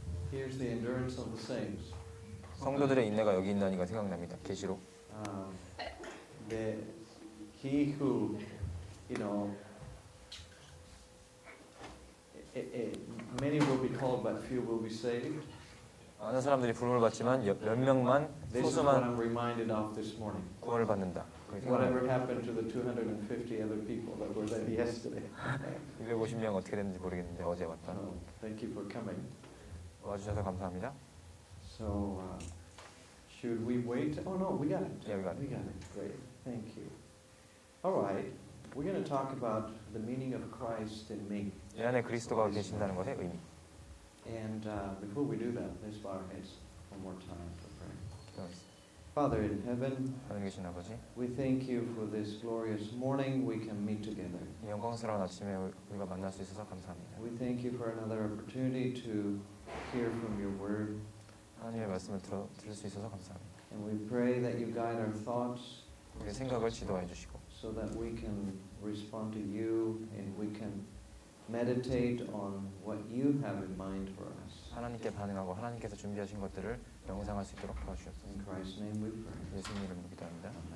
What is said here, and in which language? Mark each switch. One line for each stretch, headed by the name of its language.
English: Here's the endurance of the saints.
Korean: 성도들의 인내가 여기 있나니가 생각납니다. 계시록.
English: The he who, you know, many will be called, but few will be saved.
Korean: 많은 사람들이 부름을 받지만 몇 명만 소수만
English: This is what I'm reminded of this morning.
Korean: 구원을 받는다.
English: Whatever happened to the 250 other people that were there yesterday?
Korean: 250명 어떻게 됐는지 모르겠는데 어제 왔던.
English: Thank you for coming.
Korean: 와주셔서 감사합니다.
English: So should we wait? Oh no, we got it. Yeah, we got it. We got it. Great. Thank you. All right. We're going to talk about the meaning of Christ in me.
Korean: 내 안에 그리스도가 계신다는 것의 의미.
English: And before we do that, let's bow our heads one more time for prayer. Father in heaven,
Korean: 하늘에 계신 아버지,
English: we thank you for this glorious morning we can meet together.
Korean: 이 영광스러운 아침에 우리가 만날 수 있어서 감사합니다.
English: We thank you for another opportunity to hear from your word.
Korean: 하나님의 말씀을 들을 수 있어서 감사합니다.
English: And we pray that you guide our thoughts,
Korean: 우리 생각을 지도해 주시고,
English: so that we can respond to you and we can meditate on what you have in mind for us.
Korean: 하나님께 반응하고 하나님께서 준비하신 것들을 명상할 수 있도록 도와주옵소서.
English: In Christ's name we pray.
Korean: 예수님 이름으로 기도합니다.